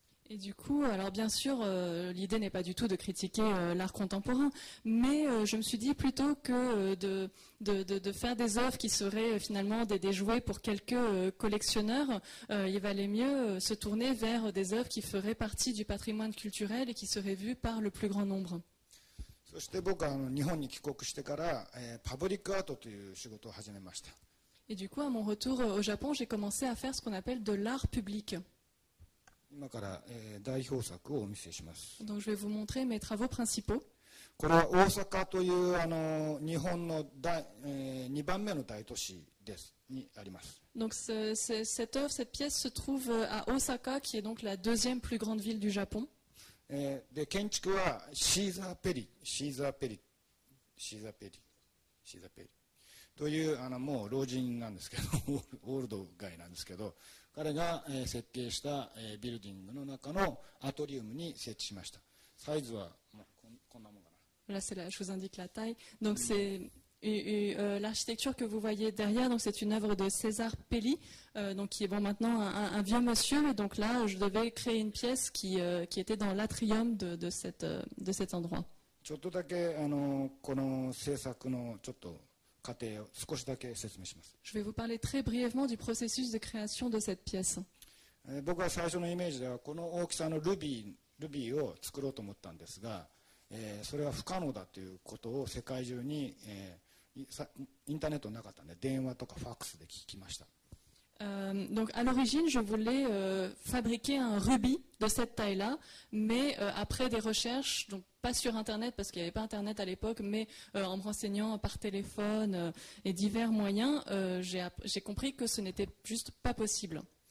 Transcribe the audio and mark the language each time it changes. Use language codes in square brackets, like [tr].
[fr] Et du coup, alors bien sûr, l'idée n'est pas du tout de critiquer l'art contemporain, mais je me suis dit plutôt que de faire des œuvres qui seraient finalement des jouets pour quelques collectionneurs, il valait mieux se tourner vers des œuvres qui feraient partie du patrimoine culturel et qui seraient vues par le plus grand nombre. [ja] そして僕は日本に帰国してから、パブリックアートという仕事を始めました。 [fr] Et du coup, à mon retour au Japon, j'ai commencé à faire ce qu'on appelle de l'art public. [ja] 今から、代表作をお見せします。 [fr] Donc, je vais vous montrer mes travaux principaux. [ja] これは大阪というあの日本の2番目の大都市ですにあります。 [fr] Donc, cette œuvre, cette pièce se trouve à Osaka, qui est donc la deuxième plus grande ville du Japon. [ja] で建築はシーザーペリ、シーザーペリ、シーザーペリ、シーザーペリというあのもう老人なんですけど、オールドガイなんですけど。彼が設計したビルディングの中のアトリウムに設置しました。サイズはこんなもんかな。 [fr] Là, c'est là, je vous indique la taille. Donc, c'est l'architecture que vous voyez derrière. Donc, c'est une œuvre de César Pelli, donc, qui est bon maintenant un vieux monsieur. Et donc, là, je devais créer une pièce qui était dans l'atrium de cet endroit. [ja] ちょっとだけあのこの制作のちょっと過程を少しだけ説明します。 [fr] Je vais vous parler très brièvement du processus de création de cette pièce. [ja] 僕は最初のイメージではこの大きさのルビーを作ろうと思ったんですが、それは不可能だということを世界中に、インターネットなかったんで電話とかファックスで聞きました。 [fr] Donc à l'origine, je voulais fabriquer un rubis de cette taille-là, mais après des recherches, donc pas sur Internet parce qu'il n'y avait pas Internet à l'époque, mais en me renseignant par téléphone et divers moyens, j'ai compris que ce n'était juste pas possible.